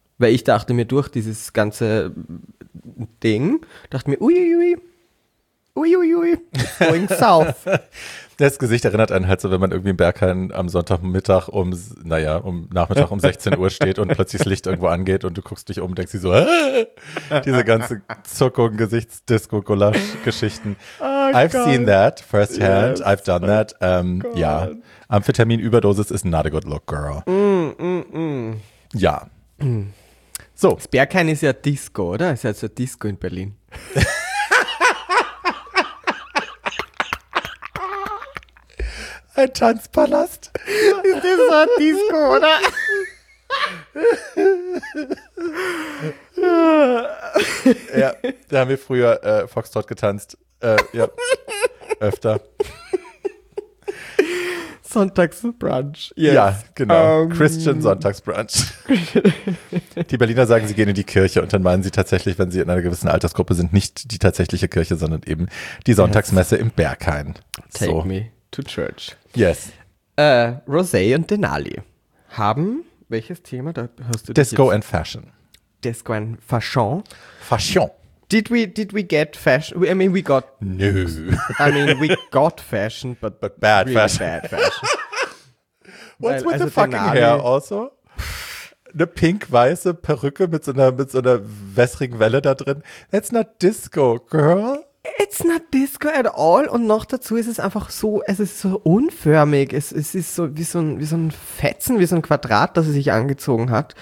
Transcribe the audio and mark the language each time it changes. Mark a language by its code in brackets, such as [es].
[de] Weil ich dachte mir durch dieses ganze Ding, dachte mir, uiuiui, [en] going south. [de] Das Gesicht erinnert einen halt so, wenn man irgendwie im Berghain am Sonntagmittag Nachmittag um 16 Uhr steht und plötzlich das Licht irgendwo angeht und du guckst dich um und denkst dir so, diese ganze Zuckung, Gesichtsdisco-Gulasch-Geschichten. [en] Oh, I've seen that firsthand, yes. I've done that. Amphetamin-Überdosis is not a good look, girl. [de] Ja. So. Das Berghain ist ja Disco, oder? Ist ja so Disco in Berlin. Ein Tanzpalast. Ist das so ein Disco, oder? Ja, da haben wir früher Foxtrot getanzt. Ja, öfter. Sonntagsbrunch. Yes. Ja, genau. Christian Sonntagsbrunch. Die Berliner sagen, sie gehen in die Kirche und dann meinen sie tatsächlich, wenn sie in einer gewissen Altersgruppe sind, nicht die tatsächliche Kirche, sondern eben die Sonntagsmesse im Berghain. [en] Take me to church. Yes. [de] Rosé und Denali haben, welches Thema, da hörst du [en] Disco and Fashion. Disco and Fashion. Fashion. Did we get fashion? I mean, we got... No. I mean, we got fashion, but bad really fashion. Bad fashion. What's with the fucking Denali hair also? [de] Eine pink-weiße Perücke mit so einer wässrigen Welle da drin. [en] That's not disco, girl. It's not disco at all. [de] Und noch dazu ist es einfach so, es ist so unförmig. Es ist so wie so ein Fetzen, wie so ein Quadrat, das sie sich angezogen hat.